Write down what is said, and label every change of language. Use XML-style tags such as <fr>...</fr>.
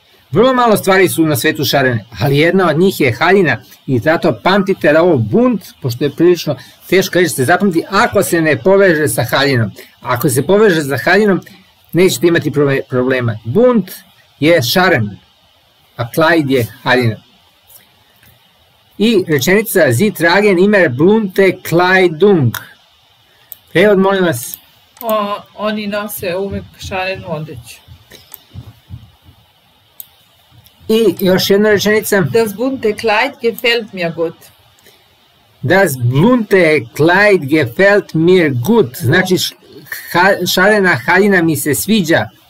<sr>Vrlo malo stvari su na svetu šarene, ali jedna od njih je haljina i zato pamtite da ovo bunt, pošto je prilično teško reći, se zapamti ako se ne poveže sa haljinom. Ako se poveže sa haljinom, nećete imati problema. Bunt je šaren, a Kleid je haljina. I rečenica</sr> <de>Sie tragen immer bunte Kleidung.</de> <sr>Prevod, molim vas. Oni nose uvek šarenu odeću. I još jedna rečenica.</sr> <de>Das bunte Kleid gefällt mir gut. Das bunte Kleid gefällt mir gut.</de> <sr>Znači šarena haljina mi se sviđa.</sr>